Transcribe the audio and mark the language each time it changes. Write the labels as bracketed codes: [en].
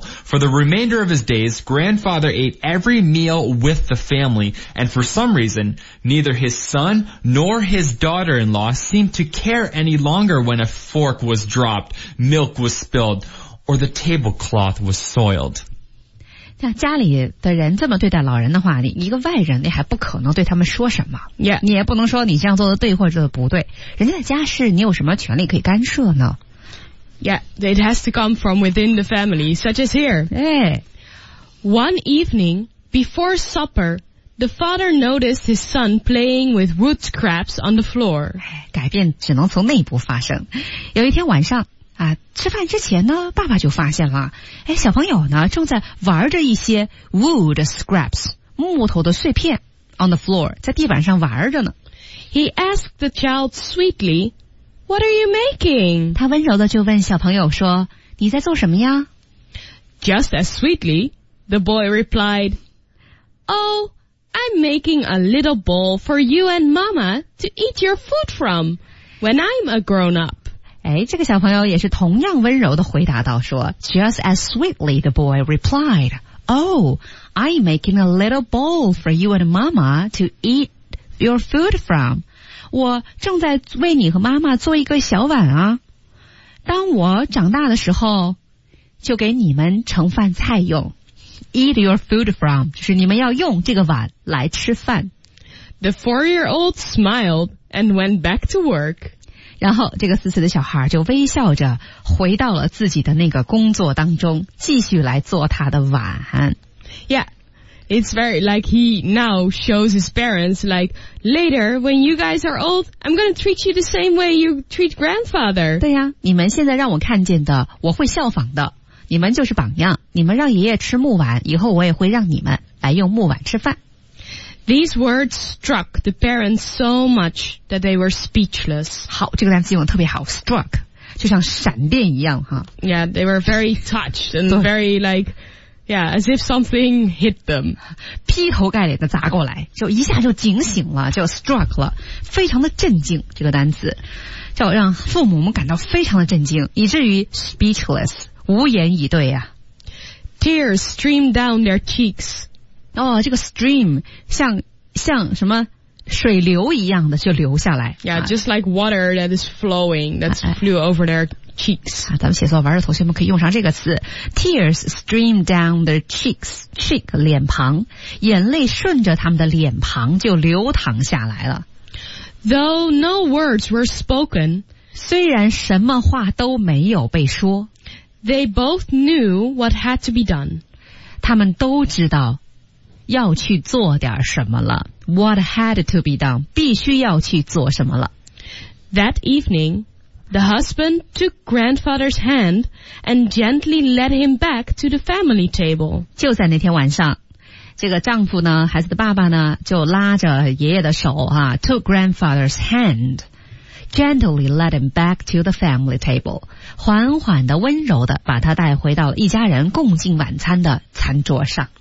[en] For the remainder of his days, grandfather ate every meal with the family, and for some reason, neither his son nor his daughter-in-law seemed to care any longer when a fork was dropped, milk was spilled, or the tablecloth was soiled. [zh] 像家里的人这么对待老人的话，你一个外人，你还不可能对他们说什么。 [en] Yeah. [zh] 你也不能说你这样做的对或者不对。人家的家事，你有什么权利可以干涉呢？ [en] Yeah, it has to come from within the family, such as here. Hey. One evening, before supper, the father noticed his son playing with wood scraps on the floor. [zh] 改变只能从内部发生。有一天晚上啊，吃饭之前呢，爸爸就发现了，哎，小朋友呢正在玩着一些 [en] wood scraps [zh] 木头的碎片 [en] on the floor [zh] 在地板上玩着呢。 [en] He asked the child sweetly, "What are you making?" [zh] 他温柔的就问小朋友说，你在做什么呀？ [en] Just as sweetly, the boy replied, "Oh, I'm making a little bowl for you and Mama to eat your food from when I'm a grown up." [zh] 哎，这个小朋友也是同样温柔地回答到说 [en] Just as sweetly the boy replied, Oh, I'm making a little bowl for you and Mama to eat your food from. [zh] 我正在为你和妈妈做一个小碗啊。当我长大的时候，就给你们盛饭菜用。 [en] Eat your food from, [zh] 就是你们要用这个碗来吃饭。 [en] The four-year-old smiled and went back to work. [zh] 然后这个四岁的小孩就微笑着回到了自己的那个工作当中，继续来做他的碗。 [en] Yeah, it's very like he now shows his parents like, later when you guys are old, I'm going to treat you the same way you treat grandfather. [zh] 对呀，你们现在让我看见的，我会效仿的，你们就是榜样，你们让爷爷吃木碗，以后我也会让你们来用木碗吃饭。 [en] These words struck the parents so much that they were speechless. [zh] 好，这个单词用得特别好 ,struck, 就像闪电一样哈。 [en] Yeah, they were very touched and very like, yeah, as if something hit them. [zh] 劈头盖脸的砸过来，就一下就警醒了，就 struck 了，非常的震惊，这个单词。就让父母们感到非常的震惊，以至于 speechless, 无言以对啊。 [en] Tears streamed down their cheeks. [zh] 哦，这个 stream 像什么水流一样的就流下来。 [en] Yeah, just like water that is flowing, that's flew over their cheeks. [zh] 啊，咱们写作文的同学们可以用上这个词 ， [en] tears stream down their cheeks, [zh] cheek 脸庞，眼泪顺着他们的脸庞就流淌下来了。 [en] Though no words were spoken, [zh] 虽然什么话都没有被说 [en] ，they both knew what had to be done. [zh] 他们都知道。要去做点什么了 [en] What had to be done [zh] 必须要去做什么了 [en] That evening The husband took grandfather's hand And gently led him back to the family table [zh] 就在那天晚上这个丈夫呢孩子的爸爸呢就拉着爷爷的手啊 [en] Took grandfather's hand Gently led him back to the family table [zh] 缓缓的温柔的把他带回到一家人共进晚餐的餐桌上